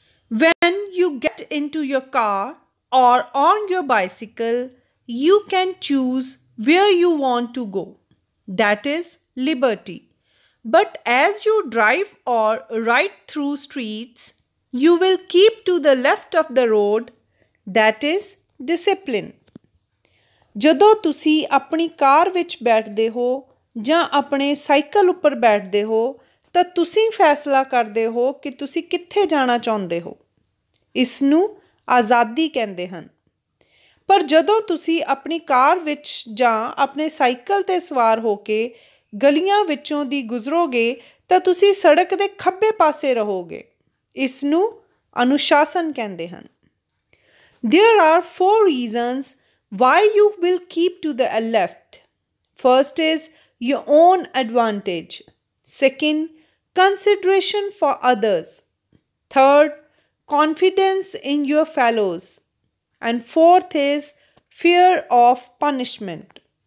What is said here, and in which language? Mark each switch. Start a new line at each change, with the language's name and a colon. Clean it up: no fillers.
English: When you get into your car or on your bicycle, you can choose where you want to go. That is liberty. But as you drive or ride through streets, you will keep to the left of the road. That is discipline.
Punjabi: ਜਦੋਂ ਤੁਸੀਂ ਆਪਣੀ ਕਾਰ ਵਿੱਚ ਬੈਠਦੇ ਹੋ ਜਾਂ ਆਪਣੇ cycle ਉੱਪਰ ਬੈਠਦੇ ਹੋ ਤਾਂ ਤੁਸੀਂ ਫੈਸਲਾ ਕਰਦੇ ਹੋ ਕਿ ਤੁਸੀਂ ਕਿੱਥੇ ਜਾਣਾ ਚਾਹੁੰਦੇ ਹੋ ਇਸ ਨੂੰ ਆਜ਼ਾਦੀ ਕਹਿੰਦੇ ਹਨ ਪਰ ਜਦੋਂ ਤੁਸੀਂ ਆਪਣੀ ਕਾਰ ਵਿੱਚ ਜਾਂ ਆਪਣੇ ਸਾਈਕਲ 'ਤੇ ਸਵਾਰ ਹੋ ਕੇ ਗਲੀਆਂ ਵਿੱਚੋਂ ਦੀ ਗੁਜ਼ਰੋਗੇ ਤਾਂ ਤੁਸੀਂ ਸੜਕ ਦੇ ਖੱਬੇ ਪਾਸੇ ਰਹੋਗੇ ਇਸ ਨੂੰ ਅਨੁਸ਼ਾਸਨ ਕਹਿੰਦੇ ਹਨ
English: There are 4 reasons Why you will keep to the left? First is your own advantage. Second, consideration for others. Third, confidence in your fellows. And fourth is fear of punishment.